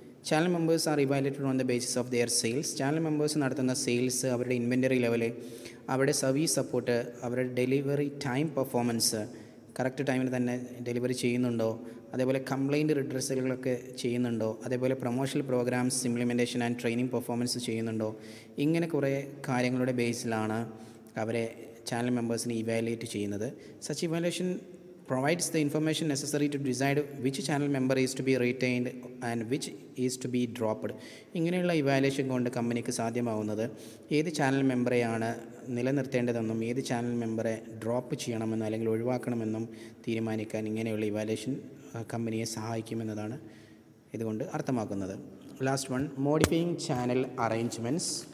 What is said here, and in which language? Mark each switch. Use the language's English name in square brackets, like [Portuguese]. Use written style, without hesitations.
[English] Channel members are evaluated on the basis of their sales. [Malayalam] Channel members നടത്തുന്ന sales, അവരുടെ inventory level, അവരുടെ service support, അവരുടെ delivery time performance, correct ടൈമിൽ തന്നെ delivery ചെയ്യുന്നുണ്ടോ, അതേപോലെ കംപ്ലൈൻറ്റ് റിഡ്രസ്സുകളൊക്കെ ചെയ്യുന്നുണ്ടോ, അതേപോലെ promotional programmes implementation and training performance ചെയ്യുന്നുണ്ടോ, ഇങ്ങനെ കുറേ കാര്യങ്ങളുടെ ബേസിലാണ് അവരെ ചാനൽ മെമ്പേഴ്സിനെ ഇവാലുവേറ്റ് ചെയ്യുന്നത്. [English] Such evaluation provides the information necessary to decide which channel member is to be retained and which is to be dropped. [Malayalam] ഇങ്ങനെയുള്ള ഇവാലുവേഷൻ കൊണ്ട് കമ്പനിക്ക് സാധ്യമാവുന്നത് ഏത് ചാനൽ മെമ്പറെയാണ് നിലനിർത്തേണ്ടതെന്നും ഏത് ചാനൽ മെമ്പറെ ഡ്രോപ്പ് ചെയ്യണമെന്നും അല്ലെങ്കിൽ ഒഴിവാക്കണമെന്നും തീരുമാനിക്കാൻ ഇങ്ങനെയുള്ള ഇവാലുവേഷൻ കമ്പനിയെ സഹായിക്കുമെന്നതാണ് ഇതുകൊണ്ട് അർത്ഥമാക്കുന്നത്. [English] Last one, modifying channel arrangements.